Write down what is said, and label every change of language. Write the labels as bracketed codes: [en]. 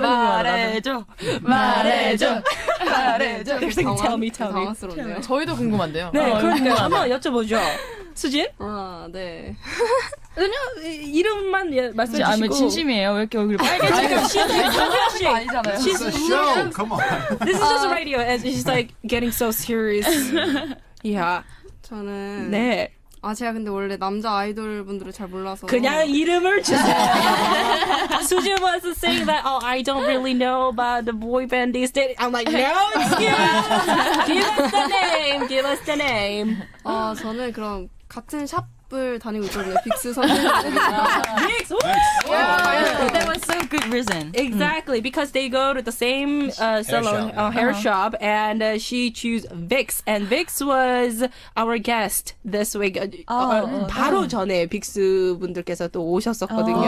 [ko] 말해줘. 말해줘. 네, 저도 [en] tell me, tell me. [ko] 당황스럽네요. 저희도 궁금한데요. 네, 어, 그럼요. 한번 여쭤보죠. 수진? 아, 네. 아니요, 이름만 말씀해주시고. 아, 진심이에요. 왜 이렇게 얼굴이 빨개지고. 아니잖아요. [en] Come on. This is just radio, and she's like getting so serious. Yeah. [ko] 저는. 네. 아, 제가 근데 원래 남자 아이돌 분들을 잘 몰라서. 그냥 이름을 주세요. [en] Suji was saying that, oh, I don't really know about the boy band these days. I'm like, no, excuse. Give us the name. [ko] 아, 저는 그럼 같은 샵을 다니고 있거든요. 빅스 선생님. [en] 빅스! Yeah, yeah. That was so good reason. Exactly, because they go to the same salon, hair shop, hair shop and she choose Vicks. And Vicks was our guest this week. [ko] 바로 전에 빅스 분들께서 또 오셨었거든요.